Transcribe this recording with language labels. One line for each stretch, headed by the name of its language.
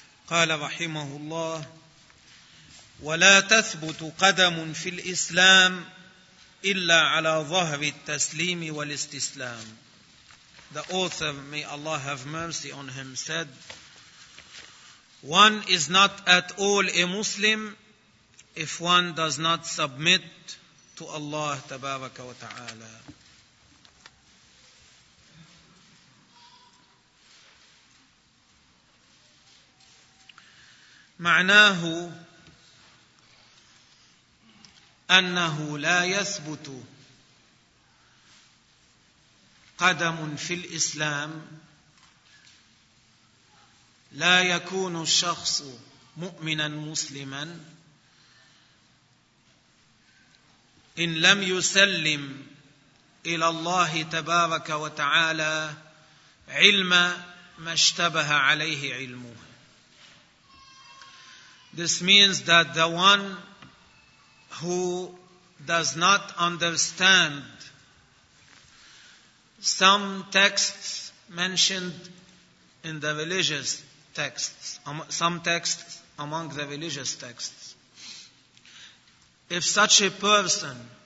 Arabic: قال رحمه الله ولا تثبت قدم في الإسلام إلا على ظهر التسليم والاستسلام.
English: The author, may Allah have mercy on him, said, one is not at all a Muslim if one does not submit to Allah تبارك وتعالى.
Arabic: معناه أنه لا يثبت قدم في الإسلام, لا يكون الشخص مؤمنا مسلما إن لم يسلم إلى الله تبارك وتعالى علم ما اشتبه عليه علمه.
English: This means that the one who does not understand some texts mentioned in the religious texts, some texts among the religious texts, if such a person